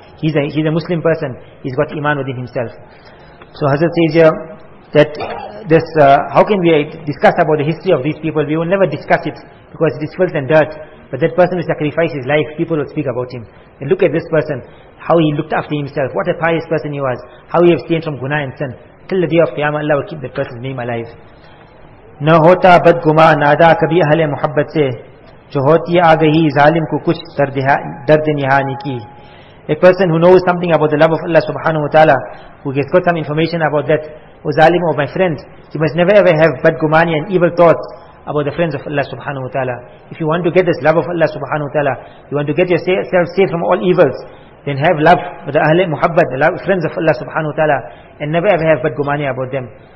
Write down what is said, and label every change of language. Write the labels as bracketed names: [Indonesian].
[English] He's a Muslim person. He's got iman within himself. So Hazrat says here that this, how can we discuss about the history of these people? We will never discuss it because it is filth and dirt. But that person who sacrificed his life, people will speak about him. And look at this person, how he looked after himself, what a pious person he was, how he abstained from guna and sin. Till the day of Qiyamah, Allah will keep that person's name alive. [Urdu] نہ ہوتا بدگما نادا کبھی اہل محبت سے جو ہوتی آگئی ظالم کو کچھ درد نہانی کی. [English] A person who knows something about the love of Allah subhanahu wa ta'ala, who has got some information about that, O zalim, of my friend, you must never ever have bad gumani and evil thoughts about the friends of Allah subhanahu wa ta'ala. If you want to get this love of Allah subhanahu wa ta'ala, you want to get yourself safe from all evils, then have love for the ahle muhabbat, the love, friends of Allah subhanahu wa ta'ala, and never ever have bad gumani about them.